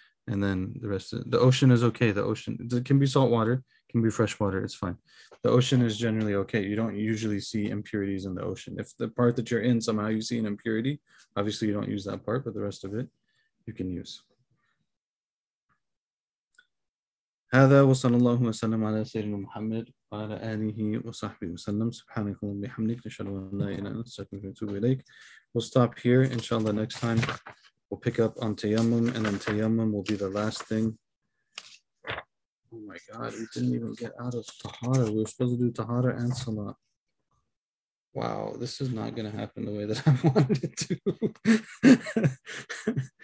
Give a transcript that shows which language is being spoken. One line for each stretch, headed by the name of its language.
English: And then the rest of the ocean is okay. The ocean, it can be salt water, can be fresh water, it's fine. The ocean is generally okay. You don't usually see impurities in the ocean. If the part that you're in somehow you see an impurity, obviously you don't use that part, but the rest of it you can use.
Arabic: هذا وصلى الله وسلم على سيدنا محمد وعلى آله وصحبه وسلم سبحانك اللهم وبحمدك نشهد أن لا إله إلا أنت نستغفرك إليك.
English: We'll stop here. Inshallah, next time we'll pick up on tayammum, and then tayammum will be the last thing. Oh my God, we didn't even get out of tahara. We were supposed to do tahara and salat. Wow, this is not going to happen the way that I wanted it to.